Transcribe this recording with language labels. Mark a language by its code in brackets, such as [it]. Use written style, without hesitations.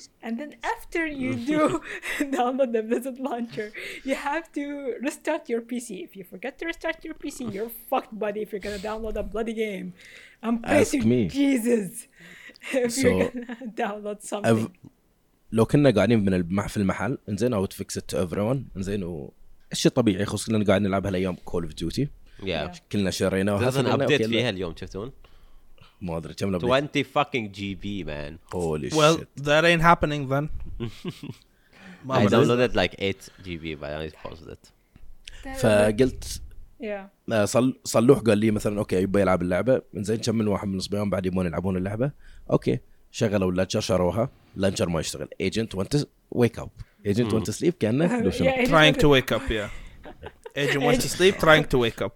[en] And then after you do download the Blizzard launcher, you have to restart your PC. If you forget to restart your PC, you're fucked, buddy, if you're going to download a bloody game. I'm praising Jesus if so you're going to download something. [ar] لو كنا قاعدين من في المحل, انزين, [en] I would fix it to everyone. [ar] انزين, وشي طبيعي خصوصا لأننا قاعدين نلعب هالأيام Call of Duty. [en] Yeah. [ar] كلنا شريناه. [en] There's an update [ar] فيها اليوم, شفتون؟ ما أدري كم لبيت. [en] 20 fucking GB, man. Holy shit. Well, that ain't happening then. I downloaded like 8 GB, but I only paused it. [ar] فقلت. [en] Yeah. [ar] صلوح قال لي مثلا, أوكي, يبى يلعب اللعبة. من زين كم من واحد من الصبيان بعد يبون يلعبون اللعبة. أوكي. شغلوا اللانشر, شروها. لانشر ما يشتغل. [en] Agent went to wake up. Agent went to sleep, [ar] كأنه. [en] Yeah, trying to wake up, yeah. Agent went to sleep, trying to wake up.